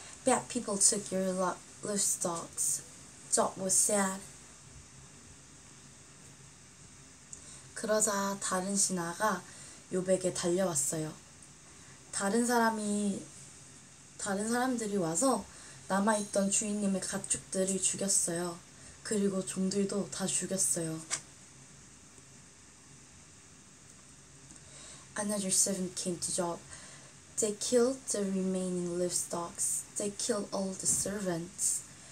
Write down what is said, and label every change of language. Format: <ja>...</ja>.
<en>Bad people took your livestock. Job was sad.</en> <ko>그러자 다른 신하가 욥에게 달려왔어요. 다른 사람들이 와서 남아있던 주인님의 가축들을 죽였어요. 그리고 종들도 다 죽였어요.</ko> <en>Another servant came to Job. They killed the remaining livestock. They killed all the servants.</en>